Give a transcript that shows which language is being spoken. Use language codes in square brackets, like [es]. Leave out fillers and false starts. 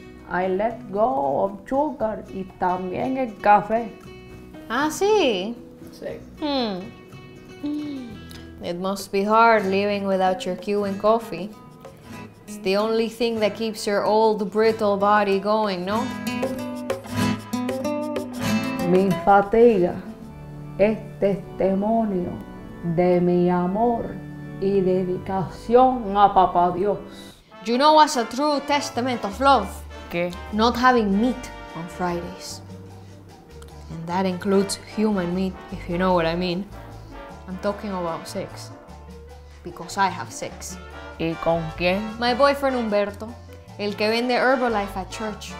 [en] I let go of sugar [es] y también el café. ¿Ah, sí? Sí. [en] It must be hard living without your Cuban coffee. It's the only thing that keeps your old brittle body going, no? [es] Mi fatiga es testimonio de mi amor y dedicación a Papá Dios. [en] You know what's a true testament of love? [es] ¿Qué? [en] Not having meat on Fridays. And that includes human meat, if you know what I mean. I'm talking about sex, because I have sex. [es] ¿Y con quién? [en] My boyfriend Humberto, [es] el que vende [en] Herbalife at church.